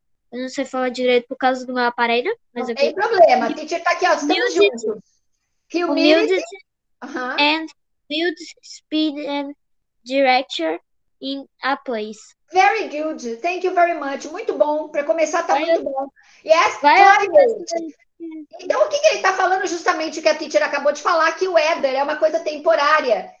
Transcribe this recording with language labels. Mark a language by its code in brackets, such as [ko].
[pt] Eu não sei falar direito por causa do meu aparelho, mas não aqui. Tem problema, a teacher tá aqui, ó, estamos juntos. [en] Humidity. And build speed and direction in a place. Very good, thank you very much. [pt] Muito bom, para começar tá muito bom. Yes, então, o que ele tá falando justamente o que a teacher acabou de falar, que o weather é uma coisa temporária.